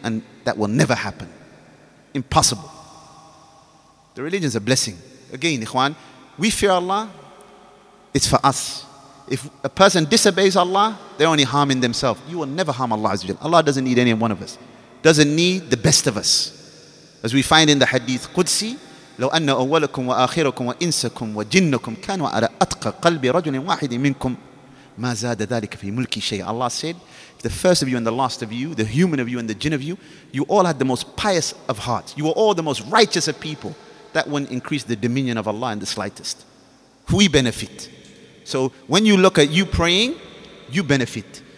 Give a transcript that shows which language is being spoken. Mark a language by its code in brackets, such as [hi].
[en] And that will never happen. Impossible. The religion is a blessing. Again, ikhwan, we fear Allah, it's for us. If a person disobeys Allah, they're only harming themselves. You will never harm Allah. Allah doesn't need any one of us. Doesn't need the best of us. As we find in the hadith Qudsi, [ar] لو أن أولكم وآخركم وإنسكم وجنكم كانوا على أتقى قلب رجل واحد منكم ما زاد ذلك في ملك شيء. [en] Allah said, if the first of you and the last of you, the human of you and the jinn of you, you all had the most pious of heart. You were all the most righteous of people. That wouldn't increase the dominion of Allah in the slightest. We benefit. So when you look at you praying, you benefit.